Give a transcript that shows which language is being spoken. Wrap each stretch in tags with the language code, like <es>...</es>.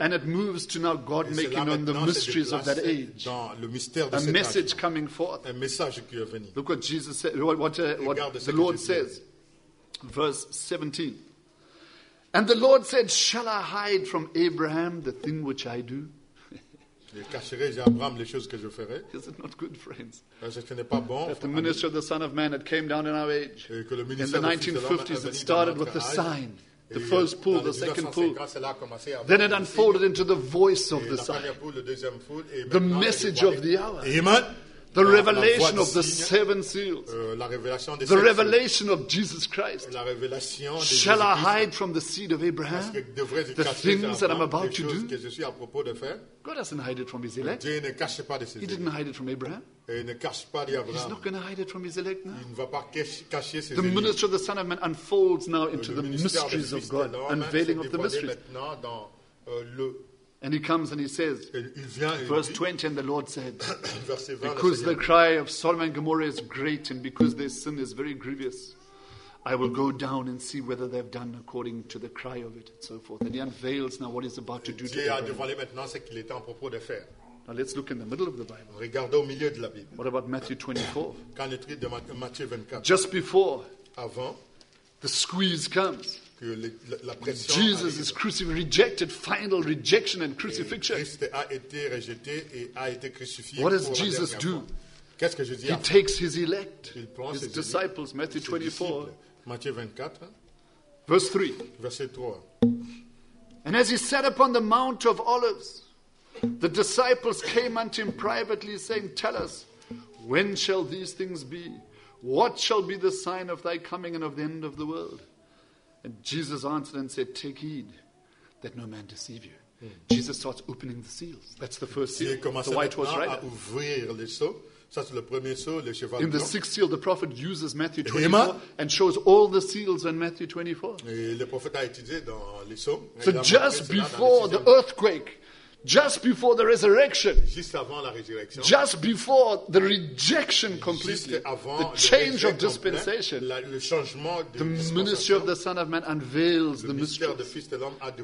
<en>and it moves to now God making known the mysteries of that age.</en> <fr>Dans le mystère de</fr> <en>a message âge. Coming forth.</en> <fr>Un message qui est venu.</fr> <en>Look what Jesus said. What the Lord says. Verse 17. And the Lord said, shall I hide from Abraham the thing which I do?</en> <fr>Cacherai-je à Abraham les choses que je ferai?</fr> <en>Is it not good, friends?</en> <fr>Parce que ce n'est pas bon.</fr> <en>That the ministry of the Son of Man had came down in our age.</en> <fr>Et que le ministère</fr> <en>in the 1950s it started with the sign. The first pool, the second pool. Then it unfolded into the voice of the sign. The message of the hour. Amen. The revelation of the seven seals.</en> <fr>La révélation des</fr> <en>the revelation of Jesus Christ.</en> <fr>La révélation de</fr> <en>shall Jesus I hide from the seed of Abraham</en> <fr>que</fr> <en>the things that I'm about to do?</en> <fr>Que je suis à propos de faire?</fr> <en>God doesn't hide it from his elect.</en> <fr>Dieu ne cache pas de ses</fr> <en>he didn't hide it from Abraham.</en> <fr>Et ne cache pas d'Abraham.</fr> <en>He's not going to hide it from his elect now.</en> <fr>Il ne va pas cacher ses the élus.</fr> <en>Ministry of the Son of Man unfolds now into the mysteries of God, unveiling of the mysteries.</en> <fr>Maintenant dans, le</fr> <en>and he comes and he says,</en> <fr>il vient,</fr> <en>verse</en> <fr>dit,</fr> <en>20, and the Lord said, 20, because the cry of Sodom and Gomorrah is great and because their sin is very grievous, I will go down and see whether they've done according to the cry of it, and so forth. And he unveils now what he's about to do.</en> <fr>Dieu a dévoilé maintenant ce qu'il était en propos de faire.</fr> <en>Now let's look in the middle of the Bible.</en> <fr>Regardez au milieu de la Bible.</fr> <en>What about Matthew 24?</en> <fr>Quand l'écrit de Matthieu 24.</fr> <en>Just before.</en> <fr>Avant.</fr> <en>The squeeze comes.</en> <fr>Que la pression.</fr> <en>Jesus Is crucified, rejected, final rejection and crucifixion.</en> <fr>Christ a été rejeté et a été crucifié.</fr> <en>What does Jesus do?</en> <fr>Qu'est-ce que je dis?</fr> <en>He takes his elect.</en> <fr>Il prend</fr> <en>his disciples.</en> <fr>Élite,</fr> <en>Matthew 24.</en> <fr>Matthieu 24.</fr> <en>Verse 3.</en> <fr>Verset 3.</fr> <en>And as he sat upon the Mount of Olives, the disciples came unto him privately, saying, Tell us, when shall these things be? What shall be the sign of thy coming and of the end of the world? And Jesus answered and said, Take heed that no man deceive you. Jesus starts opening the seals. That's the first seal. The white horse rider.</en> <fr>À ouvrir les sceaux. Ça, c'est le premier sceau, le cheval.</fr> <en>In the sixth seal, the prophet uses Matthew 24 and shows all the seals in Matthew 24.</en> <fr>Et le prophète a étudié dans les sceaux.</fr> <en>So just before the earthquake, just before the resurrection,</en> <fr>juste avant la résurrection,</fr> <en>just before the rejection completely,</en> <fr>juste avant</fr> <en>the change of dispensation,</en> <fr>le changement de</fr> <en>the ministry of the Son of Man unveils the mystery.</en> <fr>Le Fils de l'homme a dévoilé</fr>